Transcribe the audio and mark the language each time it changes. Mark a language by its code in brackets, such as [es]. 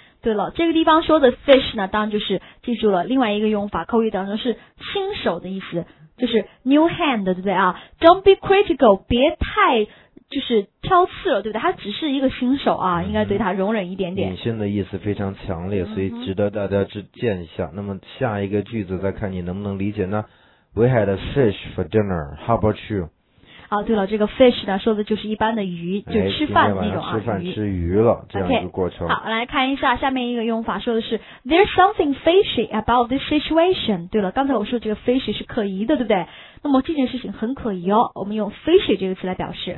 [zh] 对了，这个地方说的 fish 呢，当然就是记住了另外一个用法，口语当中是新手的意思，就是 new hand， 对不对啊？ [en] Don't be critical， [zh] 别太就是挑刺了，对不对？他只是一个新手啊，应该对他容忍一点点。隐身的意思非常强烈，所以值得大家去见一下。那么下一个句子再看你能不能理解呢？ [en] We had a fish for dinner, how about you？ [zh] 啊，对了，这个 fish 呢说的就是一般的鱼，就吃饭那种啊，哎、吃饭吃鱼了这样一个过程。 Okay， 好，来看一下下面一个用法，说的是 [en] there's something fishy about this situation。 [zh] 对了，刚才我说这个 fishy 是可疑的，对不对？那么这件事情很可疑哦，我们用 fishy 这个词来表示。